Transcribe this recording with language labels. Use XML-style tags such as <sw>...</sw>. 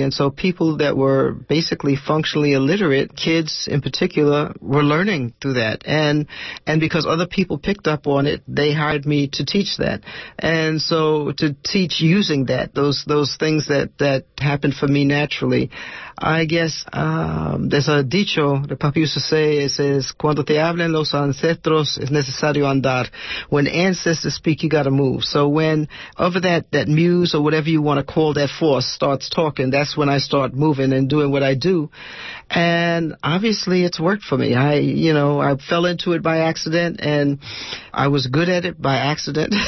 <en>And so people that were basically functionally illiterate, kids in particular, were learning through that. And because other people picked up on it, they hired me to teach that. And so to teach using that, those things that happened for me naturally. I guess there's a dicho the Papa used to say.</en> <es>It says, cuando te hablen los ancestros, es necesario andar.</es> <en>When ancestors speak, you got to move. So when over that muse or whatever you want to call that force starts talking, that's when I start moving and doing what I do. And obviously, it's worked for me. I fell into it by accident, and I was good at it by accident.</en>